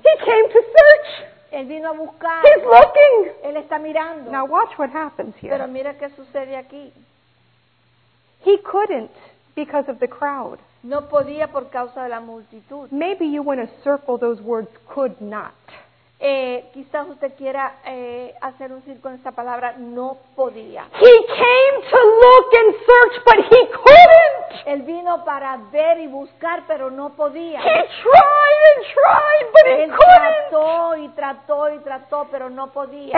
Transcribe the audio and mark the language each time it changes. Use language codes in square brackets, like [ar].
[en] He came to search. [es] Él vino a buscar. [en] He's looking. [es] Él está mirando. [en] Now watch what happens here. [es] Pero mira qué sucede aquí. [en] He couldn't because of the crowd. [es] No podía por causa de la multitud. [en] Maybe you want to circle those words, could not. [es] Quizás usted quiera hacer un círculo en esta palabra, no podía. [en] He came to look and search, but he couldn't. [es] Él vino para ver y buscar, pero no podía. [en] He tried and tried, but [es] él [en] he couldn't. [es] Trató y trató y trató, pero no podía.